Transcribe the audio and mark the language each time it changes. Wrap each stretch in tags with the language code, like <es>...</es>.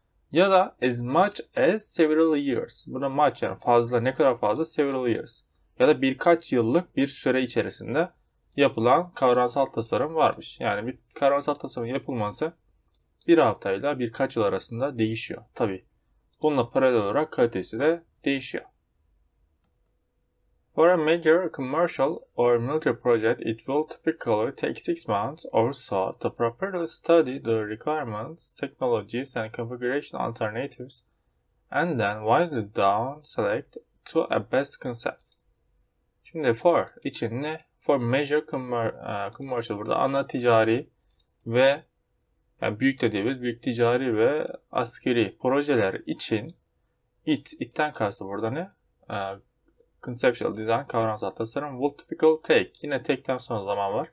<tr>Ya da as much as several years. Burada much yani fazla, ne kadar fazla, several years. Ya da birkaç yıllık bir süre içerisinde yapılan kavramsal tasarım varmış. Yani bir kavramsal tasarım yapılması bir haftayla birkaç yıl arasında değişiyor. Tabii bununla paralel olarak kalitesi de değişiyor.</tr> <en>For a major commercial or military project, it will typically take 6 months or so to properly study the requirements, technologies, and configuration alternatives, and then wisely down select to a best concept.</en> <tr>Şimdi for için ne? For major commercial, burada ana ticari ve yani büyük de diyebiliriz, büyük ticari ve askeri projeler için itten kastı burada ne? Conceptual design, kavramsal tasarım, will typically take, yine take'ten sonra zaman var.</tr>